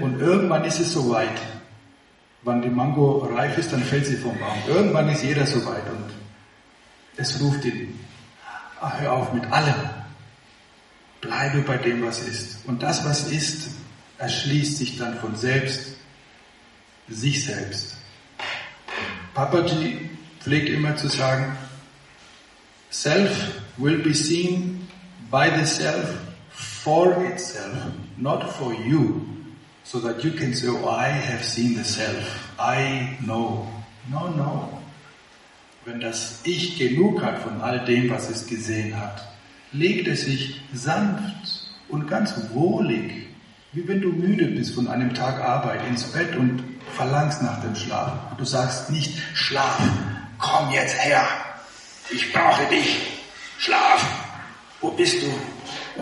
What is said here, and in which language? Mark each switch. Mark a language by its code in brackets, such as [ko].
[de] Und irgendwann ist es soweit. Wann die Mango reif ist, dann fällt sie vom Baum. Irgendwann ist jeder soweit und es ruft ihn. Ach, hör auf mit allem. Bleibe bei dem, was ist. Und das, was ist, erschließt sich dann von selbst. Sich selbst. Papaji pflegt immer zu sagen, [en] Self will be seen by the Self for itself, not for you, so that you can say, oh, I have seen the Self, I know. No, no. [de] Wenn das Ich genug hat von all dem, was es gesehen hat, legt es sich sanft und ganz wohlig, wie wenn du müde bist von einem Tag Arbeit, ins Bett und verlangst nach dem Schlaf. Du sagst nicht, Schlaf, komm jetzt her, ich brauche dich, Schlaf, wo bist du?